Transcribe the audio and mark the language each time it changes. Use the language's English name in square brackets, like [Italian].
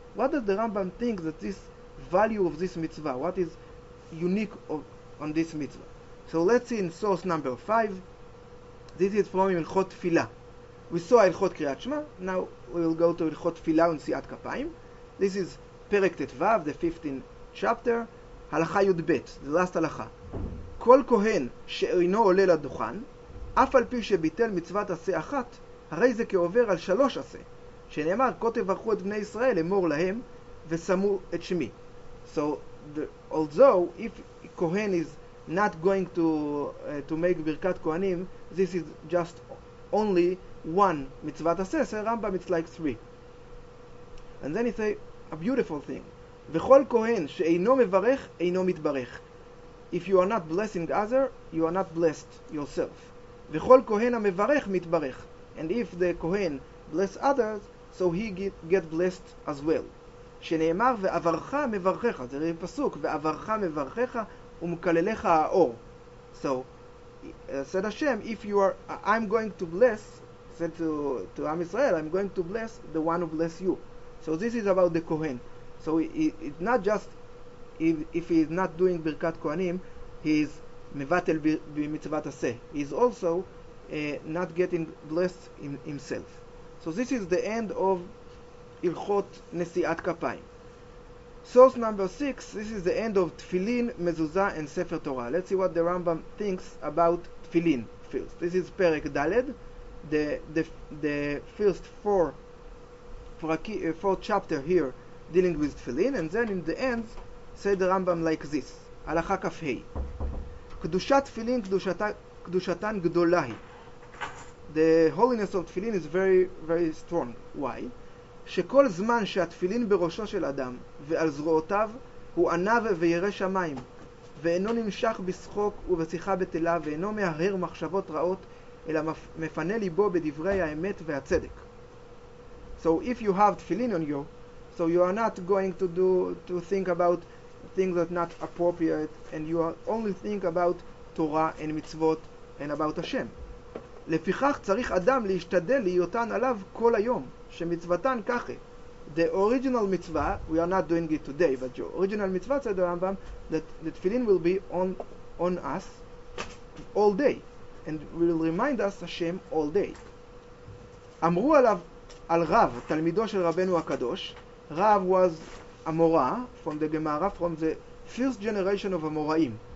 [English] What does the Rambam think that this value of this mitzvah, what is unique on this mitzvah? So let's see in source number 5. This is from Hilchot Tefillah. We saw Hilchot Kriyat Shema. Now we will go to Hilchot Tefillah and Siat Kapayim. This is Perek Tetvav, the 15th chapter. [Hebrew] הלכה י"ב, זה לאסת הלכה. כל כהן שאינו עולה לדוכן, אף על פי שביטל מצוות עשה אחת, הרי זה כעובר על שלוש עשה, שנאמר, כה תברכו את בני ישראל, אמור להם, ושמו את שמי. [English] So, although if כהן is not going to make ברכת כהנים, this is just only one מצוות עשה, so Rambam it's like three. And then he say, a beautiful thing. [Hebrew] וכל כהן שאינו מברך, אינו מתברך. [English] If you are not blessing other, you are not blessed yourself. [Hebrew] וכל כהן המברך מתברך. [English] And if the כהן bless others, so he get blessed as well. [Hebrew] שנאמר, ואברכה מברכך, זה פסוק, ואברכה מברכך ומקללך האור. [English] So, said Hashem, if you are, I'm going to bless, said to Am Israel, I'm going to bless the one who bless you. So this is about the Kohen. So it's not just if he is not doing Birkat Kohanim, he is mevatel b'mitzvat aseh. He is also not getting blessed in himself. So this is the end of Ilchot Nesiat Kapayim. Source number 6, this is the end of Tfilin, Mezuzah and Sefer Torah. Let's see what the Rambam thinks about Tfilin first. This is Perek Daled, the first four fourth chapter here dealing with tefillin, and then in the end said the Rambam like this, [Hebrew] הלכה כף ה, קדושת תפילין קדושתן גדולה היא. [English] The holiness of tefillin is very very strong. Why? [Hebrew] שכל זמן שהתפילין בראשו של אדם ועל זרועותיו הוא ענב וירא שמיים ואינו נמשך בשחוק ובשיחה בטלה ואינו מהרהר מחשבות רעות אלא מפנה ליבו בדברי האמת והצדק. [English] So if you have tefillin on you, so you are not going to think about things that are not appropriate, and you are only think about Torah and mitzvot and about Hashem. [Hebrew] לפיכך צריך אדם להשתדל להיותן עליו כל היום, שמצוותן ככה. [English] The original mitzvah, we are not doing it today, but the original mitzvah said the Rambam, that the tefillin will be on us all day, and will remind us Hashem all day. [Hebrew] אמרו עליו על רב, תלמידו של רבנו הקדוש, [English] רב was Amora, from the Gemara, from the first generation of Amoraim.